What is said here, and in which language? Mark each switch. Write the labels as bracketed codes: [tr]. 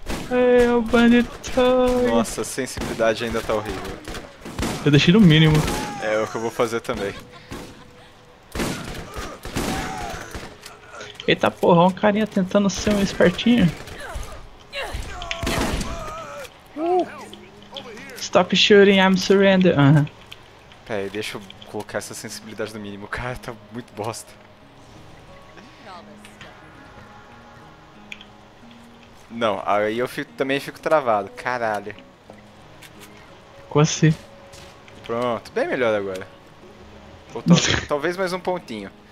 [pt] Ai, o bandido. Nossa, a sensibilidade ainda tá horrível. Eu deixei no mínimo. É o que eu vou fazer também. Eita porra, um carinha tentando ser um espertinho. [en] Stop shooting, I'm surrender. [pt] Pera aí, deixa eu colocar essa sensibilidade no mínimo. Cara, tá muito bosta. Não, aí eu fico, também fico travado. Caralho. Quase. Pronto, bem melhor agora. Ou talvez mais um pontinho.